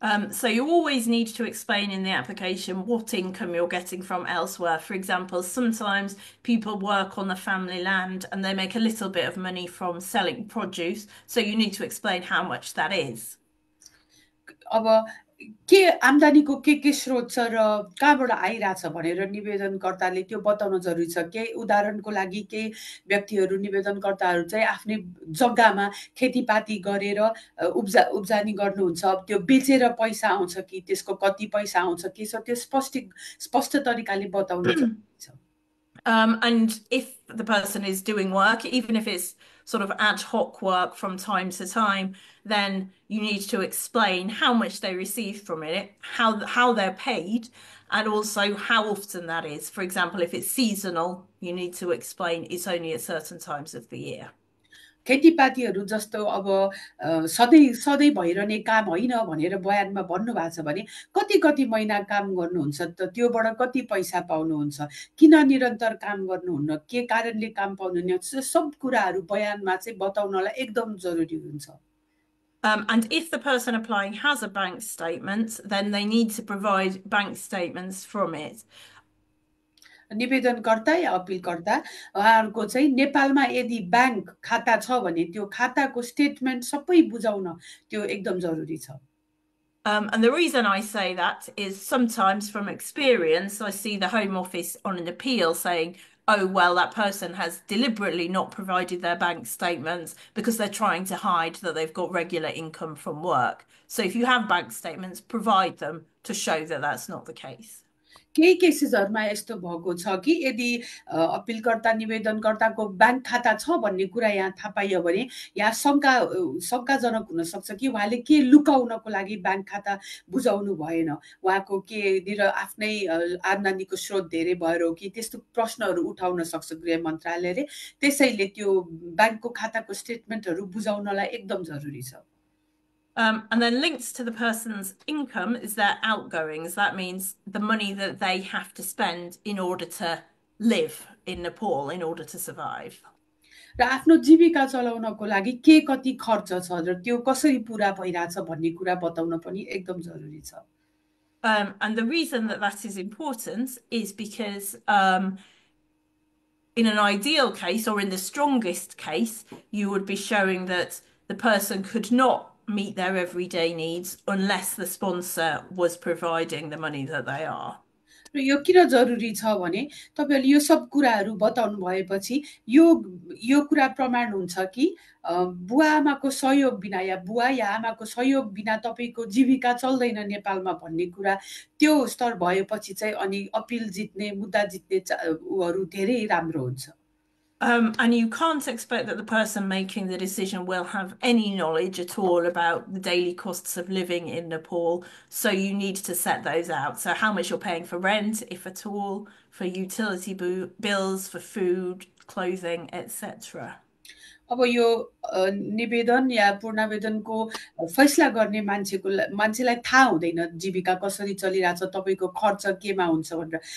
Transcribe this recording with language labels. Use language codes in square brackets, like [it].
[en] So you always need to explain in the application what income you're getting from elsewhere. For example, sometimes people work on the family land and they make a little bit of money from selling produce. So you need to explain how much that is. [ne] अब के आम्दानीको के स्रोत छ र कहाँबाट आइरहेछ भनेर निवेदनकर्ताले त्यो बताउन जरुरी छ। केही उदाहरणको लागि केही व्यक्तिहरू निवेदनकर्ताहरू चाहिँ आफ्नै जग्गामा खेतीपाती गरेर उब्जानी गर्नुहुन्छ, त्यो बेचेर पैसा आउँछ कि त्यसको कति पैसा आउँछ के छ त्यो स्पष्ट तरिकाले बताउनु जरुरी छ। [en] And if the person is doing work, even if it's sort of ad hoc work from time to time, then you need to explain how much they receive from it, how they're paid, and also how often that is. For example, if it's seasonal, you need to explain it's only at certain times of the year. [ne] खेतीपातीहरू जस्तो अब सधैँ सधैँ भइरहने काम होइन भनेर बयानमा भन्नुभएको छ भने कति कति महिना काम गर्नुहुन्छ त त्योबाट कति पैसा पाउनुहुन्छ, किन निरन्तर काम गर्नुहुन्न, के कारणले काम पाउनुहुन्न, सब कुराहरू बयानमा चाहिँ बताउनलाई एकदम जरुरी हुन्छ। [en] And if the person applying has a bank statement, then they need to provide bank statements from it. [ne] निवेदनकर्ता या अपिलकर्ता उहाँहरूको चाहिँ नेपालमा यदि ब्याङ्क खाता छ भने त्यो खाताको स्टेटमेन्ट सबै बुझाउन त्यो एकदम जरुरी छ। [en] And the reason I say that is sometimes from experience, I see the Home Office on an appeal saying, oh, well, that person has deliberately not provided their bank statements because they're trying to hide that they've got regular income from work. So if you have bank statements, provide them to show that that's not the case. [ne] केही केसेसहरूमा यस्तो भएको छ कि यदि अपिलकर्ता निवेदनकर्ताको bank खाता छ भन्ने कुरा यहाँ थाहा पाइयो भने यहाँ शङ्काजनक हुनसक्छ कि उहाँले के लुकाउनको लागि ब्याङ्क खाता बुझाउनु भएन, उहाँको के निर आफ्नै आम्दानीको स्रोत धेरै भएर हो कि त्यस्तो प्रश्नहरू उठाउन सक्छ गृह मन्त्रालयले। त्यसैले त्यो ब्याङ्कको खाताको स्टेटमेन्टहरू बुझाउनलाई एकदम जरुरी छ। [en] And then linked to the person's income is their outgoings. That means the money that they have to spend in order to live in Nepal, in order to survive. [ne] र आफ्नो जीविका चलाउनको लागि के कति खर्च छ र त्यो कसरी पुरा भइरहेछ भन्ने कुरा बताउन पनि एकदम जरुरी छ। [en] And the reason that is important is because in an ideal case, or in the strongest case, you would be showing that the person could not meet their everyday needs unless the sponsor was providing the money that they are. [ne] र यो किन जरुरी छ भने तपाईँहरूले यो सब कुराहरू बताउनु भएपछि यो यो कुरा प्रमाण हुन्छ कि बुवा आमाको सहयोग बिना या बुवा या आमाको सहयोग बिना तपाईँको जीविका चल्दैन नेपालमा भन्ने कुरा त्यो स्तर भएपछि चाहिँ अनि अपिल जित्ने मुद्दा जित्ने उहरू धेरै राम्रो हुन्छ। [en] And you can't expect that the person making the decision will have any knowledge at all about the daily costs of living in Nepal. So you need to set those out. So how much you're paying for rent, if at all, for utility bills, for food, clothing, etc. [ne] अब यो निवेदन या पूर्णावेदनको फैसला गर्ने मान्छेलाई थाहा हुँदैन जीविका कसरी चलिरहेछ, तपाईँको खर्च केमा हुन्छ भनेर।